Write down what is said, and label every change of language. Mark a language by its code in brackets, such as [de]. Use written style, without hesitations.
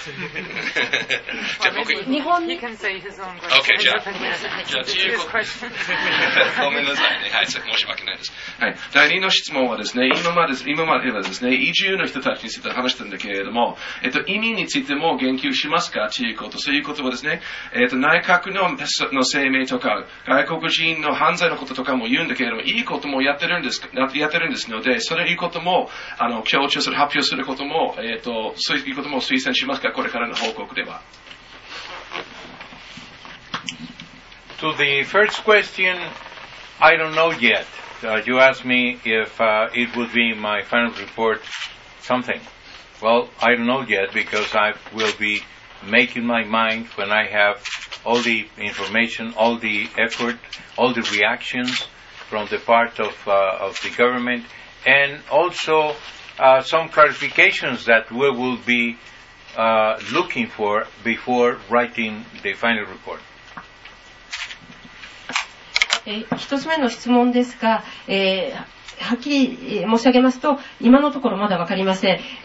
[ja] 日本に、OK、 ごめんなさいね、はい、申し訳ないです、はい、第2の質問はですね、今まではですね、移住の人たちについて話したんだけれども、移民についても言及しますかということ、そういうことはですね、内閣 の声明とか外国人の犯罪のこととかも言うんだけれども、いいこともやってるんですので、そういうことも強調する、発表することも、そういうことも推薦しますか、これからの報告では。 [en] To the first question, I don't know yet. You asked me if it would be my final report something. Well, I don't know yet because I will be making my mind when I have all the information, all the effort, all the reactions from the part of the government. And also some clarifications that we will be looking for before writing the final report. [ja] 一つ目の質問ですが、はっきり申し上げますと、今のところまだ分かりません。